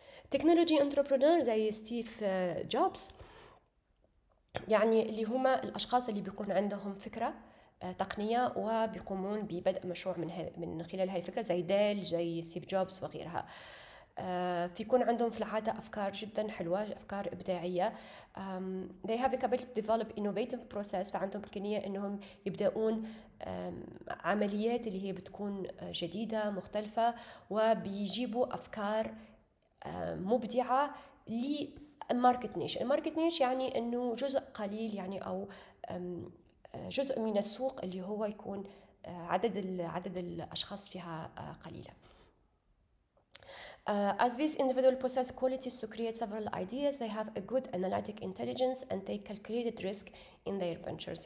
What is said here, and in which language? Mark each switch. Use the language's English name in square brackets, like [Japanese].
[English] technology entrepreneur [Arabic] زي ستيف جوبز، يعني اللي هما الأشخاص اللي بيكون عندهم فكرة تقنية وبيقومون ببدء مشروع من خلال هذه الفكرة، زي ديل، زي ستيف جوبز وغيرها. فيكون عندهم في العادة أفكار جدا حلوة، أفكار إبداعية. [English] They have the capability to develop innovative process. [Arabic] فعندهم إمكانية إنهم يبدأون عمليات اللي هي بتكون جديدة مختلفة، وبيجيبوا أفكار مبدعة [English] للماركت نيش. الماركت نيش [Arabic] يعني إنه جزء قليل، يعني أو جزء من السوق اللي هو يكون عدد الأشخاص فيها قليلة. [English] As these individuals possess qualities to create several ideas, they have a good analytic intelligence and take calculated risk in their ventures.